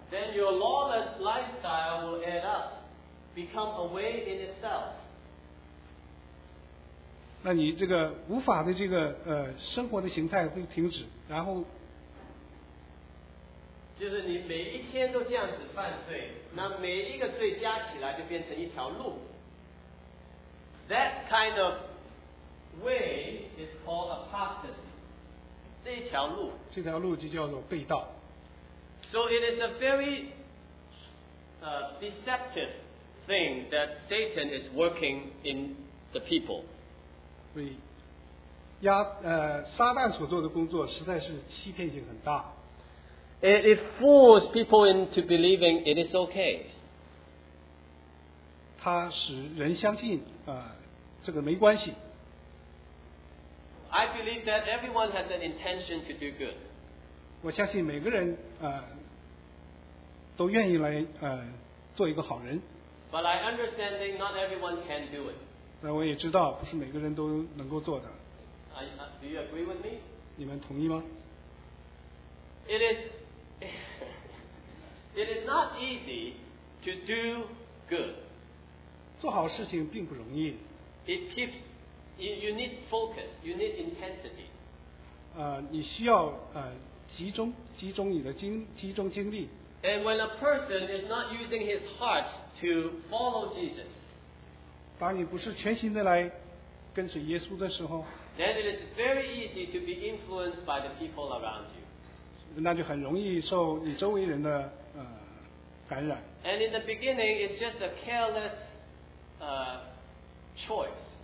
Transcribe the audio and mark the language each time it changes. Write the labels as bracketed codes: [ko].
[en] then your lawless lifestyle will add up, become a way in itself. [zh] 那你这个无法的这个生活的形态会停止，然后就是你每一天都这样子犯罪，那每一个罪加起来就变成一条路。 [en] That kind of way is called apostasy. [zh] 这条路就叫做背道。 [en] So it is a very deceptive thing that Satan is working in the people. [zh] 对，撒旦所做的工作实在是欺骗性很大。 [en] It fools people into believing it is okay. [zh] 他使人相信这个没关系。 [en] I believe that everyone has an intention to do good. [zh] 我相信每个人都愿意来做一个好人。 [en] But I understand that not everyone can do it. [zh] 那我也知道不是每个人都能够做的。 [en] Do you agree with me? [zh] 你们同意吗？ [en] It is not easy to do good. [zh] 做好事情并不容易。 [en] You need focus. You need intensity. [zh] 你需要集中你的集中精力。 [en] And when a person is not using his heart to follow Jesus, [zh] 当你不是全心的来跟随耶稣的时候， [en] then it is very easy to be influenced by the people around you. [zh] 那就很容易受你周围人的感染。 [en] And in the beginning, it's just a careless choice.